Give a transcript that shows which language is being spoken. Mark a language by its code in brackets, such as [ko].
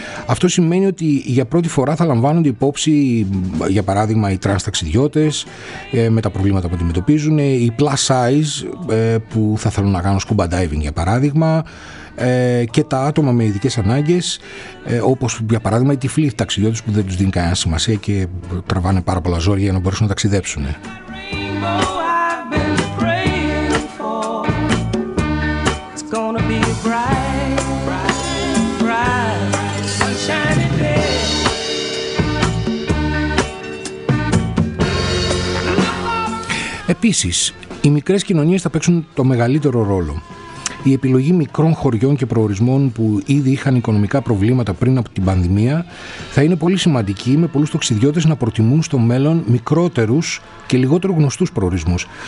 [el] Αυτό σημαίνει ότι για πρώτη φορά θα λαμβάνονται υπόψη, για παράδειγμα, οι trans ταξιδιώτες με τα προβλήματα που αντιμετωπίζουν, οι plus size που θα θέλουν να κάνουν scuba diving, για παράδειγμα, και τα άτομα με ειδικές ανάγκες, όπως για παράδειγμα οι τυφλοί ταξιδιώτες που δεν τους δίνει κανένα σημασία και τραβάνε πάρα πολλά ζόρια για να μπορέσουν να ταξιδέψουν. [en] Oh, I've been praying for it's gonna be a bright, bright, bright, sunshiny day. [el] Επίσης, οι μικρές κοινωνίες θα παίξουν το μεγαλύτερο ρόλο. Η επιλογή μικρών χωριών και προορισμών που ήδη είχαν οικονομικά προβλήματα πριν από την πανδημία θα είναι πολύ σημαντική, με πολλούς ταξιδιώτες να προτιμούν στο μέλλον μικρότερους και λιγότερο γνωστούς προορισμούς.